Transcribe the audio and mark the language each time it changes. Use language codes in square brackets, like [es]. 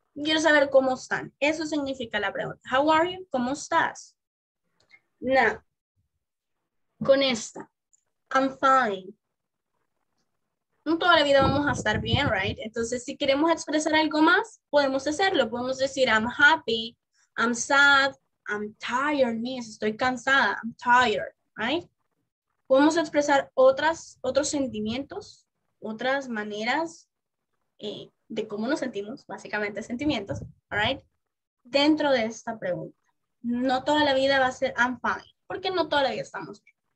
[es] Quiero saber cómo están. Eso significa la pregunta. [en] How are you? [es] ¿Cómo estás? [en] Now, [es] con esta. [en] I'm fine. [es] No toda la vida vamos a estar bien, right? Entonces, si queremos expresar algo más, podemos hacerlo. Podemos decir, [en] I'm happy, I'm sad, I'm tired, [es] miss, estoy cansada, [en] I'm tired, [es] right? Podemos expresar otros sentimientos, otras maneras de cómo nos sentimos, básicamente sentimientos, right? Dentro de esta pregunta. No toda la vida va a ser [en] I'm fine, [es] porque no toda la vida estamos bien.